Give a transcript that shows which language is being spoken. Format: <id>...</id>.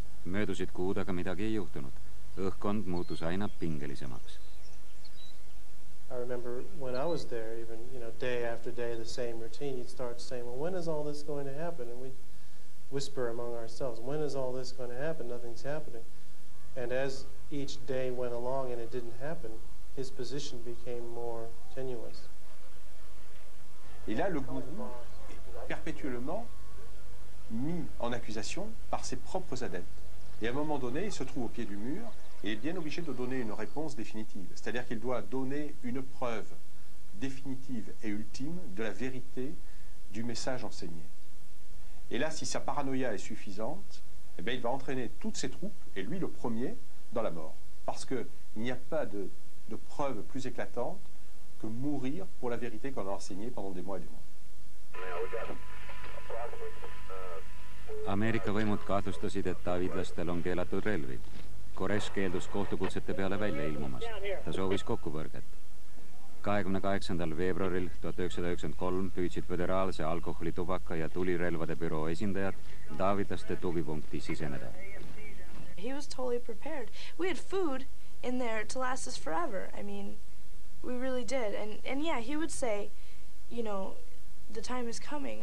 <et>Möödusid kuud, aga midagi ei juhtunud. Õhkkond muutus aina pingelisemaks.</et> <en>I remember when I was there, even, you know, day after day, the same routine, you'd start saying, well, when is all this going to happen? And we'd whisper among ourselves, when is all this going to happen? Nothing's happening. And as each day went along and it didn't happen, his position became more tenuous.</en> <fr>Et là, le gourou est perpétuellement mis en accusation par ses propres adeptes. Et à un moment donné, il se trouve au pied du mur et est bien obligé de donner une réponse définitive. C'est-à-dire qu'il doit donner une preuve définitive et ultime de la vérité du message enseigné. Et là, si sa paranoïa est suffisante, eh bien, il va entraîner toutes ses troupes, et lui le premier, dans la mort. Parce qu'il n'y a pas de preuve plus éclatante que mourir pour la vérité qu'on a enseignée pendant des mois et des mois.</fr> <et>Ameerika võimud kahtlustasid, et davidlastel on keelatud relvid. Kores keeldus kohtukutsete peale välja ilmumast. Ta soovis kokkupõrget. 28. veebruaril 1993 püüdsid föderaalse alkoholitubaka ja tulirelvade büroo esindajad davidlaste tugipunkti siseneda.</et> <en>He was totally prepared. We had food in there to last us forever. I mean, we really did. And yeah, he would say, you know, the time is coming.</en>